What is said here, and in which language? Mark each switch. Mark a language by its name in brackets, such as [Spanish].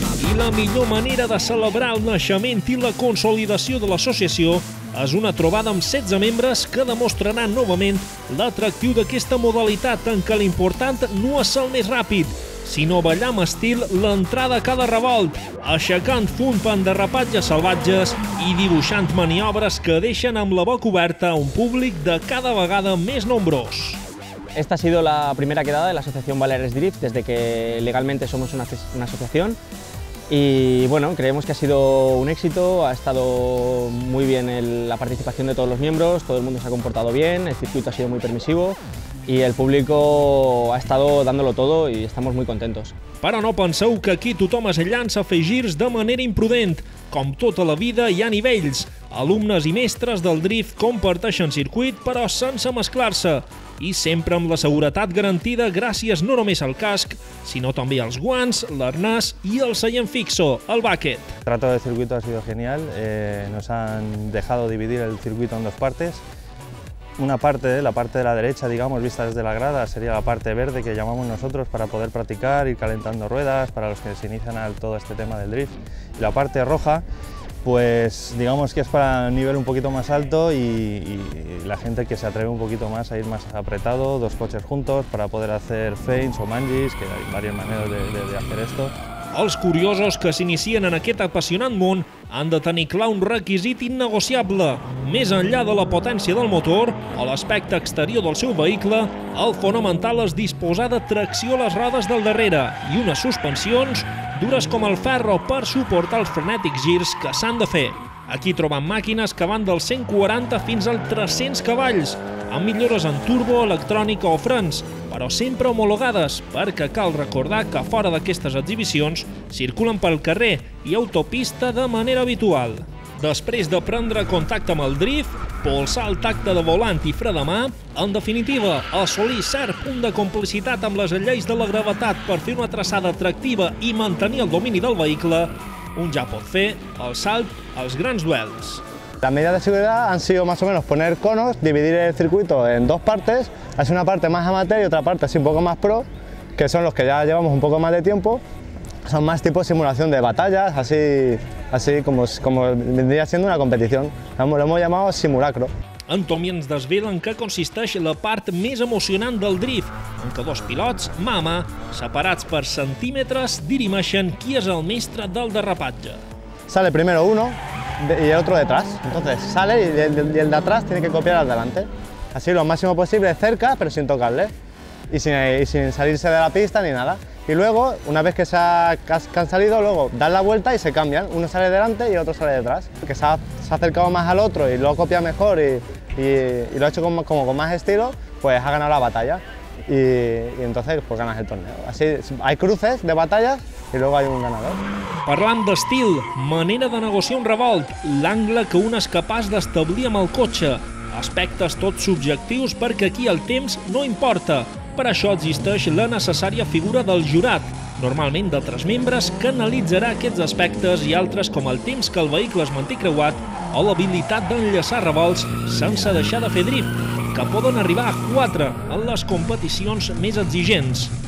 [Catalan] I la millor manera de celebrar el naixement i la consolidació de l'associació és una trobada amb 16 membres que demostrarà novament l'atractiu d'aquesta modalitat en què l'important no és el més ràpid, sinó ballar amb estil l'entrada a cada revolt, aixecant fum per derrapatges salvatges i dibuixant maniobres que deixen amb la boca oberta un públic de cada vegada més nombrós. [Spanish] Esta ha sido la primera quedada de la Asociación Baleares Drift desde que legalmente somos una asociación. Y bueno, creemos que ha sido un éxito, ha estado muy bien la participación de todos los miembros, todo el mundo se ha comportado bien, el circuito ha sido muy permisivo y el público ha estado dándolo todo y estamos muy contentos. [Catalan] Però no penseu que aquí tothom es llança a fer girs de manera imprudent. Com tota la vida hi ha nivells. Alumnes i mestres del drift comparteixen circuit però sense mesclar-se. I sempre amb la seguretat garantida gràcies no només al casc, sinó també als guants, l'arnàs i el seient fixo, el bucket. [Spanish] El trato del circuito ha sido genial. Nos han dejado dividir el circuito en dos partes. Una parte, la parte de la derecha, digamos, vista desde la grada, sería la parte verde que llamamos nosotros para poder practicar, ir calentando ruedas, para los que se inician a todo este tema del drift. Y la parte roja, pues digamos que es para un nivel un poquito más alto y la gente que se atreve un poquito más a ir más apretado, dos coches juntos para poder hacer feints o mangis, que hay varias maneras de hacer esto. [Catalan] Els curiosos que s'inicien en aquest apassionant món han de tenir clar un requisit innegociable. Més enllà de la potència del motor o l'aspecte exterior del seu vehicle, el fonamental és disposar de tracció a les rodes del darrere i unes suspensions dures com el ferro per suportar els frenètics girs que s'han de fer. Aquí trobem màquines que van dels 140 fins als 300 cavalls, amb millores en turbo, electrònica o frens, però sempre homologades, perquè cal recordar que fora d'aquestes exhibicions circulen pel carrer i autopista de manera habitual. Després de prendre contacte amb el drift, polsar el tacte de volant i fre de mà, en definitiva, assolir cert punt de complicitat amb les lleis de la gravetat per fer una traçada atractiva i mantenir el domini del vehicle, un ja pot fer el salt als grans duels. [Spanish] Las medidas de seguridad han sido más o menos poner conos, dividir el circuito en dos partes, hacer una parte más amateur y otra parte así un poco más pro, que son los que ya llevamos un poco más de tiempo, son más tipo simulación de batallas, así como vendría siendo una competición, lo hemos llamado simulacro. [Catalan] En Tomi ens desvela en què consisteix la part més emocionant del drift, en què dos pilots, mà a mà, separats per centímetres, dirimeixen qui és el mestre del derrapatge. [Spanish] Sale primero uno y el otro detrás. Entonces sale y el de atrás tiene que copiar al delante. Así lo máximo posible cerca, pero sin tocarle. Y sin salirse de la pista ni nada. Y luego, una vez que han salido, luego dan la vuelta y se cambian. Uno sale delante y el otro sale detrás. Que se ha acercado más al otro y lo ha copiado mejor y lo ha hecho con más estilo, pues ha ganado la batalla. Y entonces pues ganas el torneo. Así hay cruces de batallas y luego hay un ganador. [Catalan] Parlant d'estil, manera de negociar un revolt, l'angle que un és capaç d'establir amb el cotxe, aspectes tots subjectius perquè aquí el temps no importa. Per això existeix la necessària figura del jurat, normalment de tres membres, que analitzarà aquests aspectes i altres com el temps que el vehicle es manté creuat o l'habilitat d'enllaçar revolts sense deixar de fer drift, que poden arribar a 4 en les competicions més exigents.